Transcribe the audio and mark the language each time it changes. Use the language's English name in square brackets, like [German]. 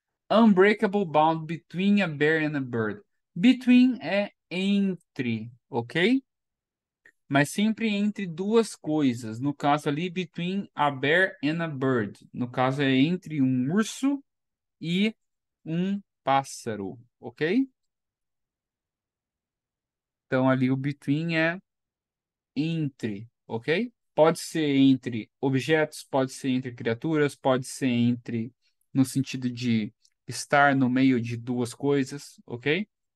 [English] Unbreakable bond between a bear and a bird. [Portuguese] Between é entre, ok? Mas sempre entre duas coisas. No caso ali, [English] between a bear and a bird. [Portuguese] No caso é entre um urso e um pássaro, ok? Então ali o between é entre, ok? Pode ser entre objetos, pode ser entre criaturas, pode ser entre no sentido de estar no meio de duas coisas, ok?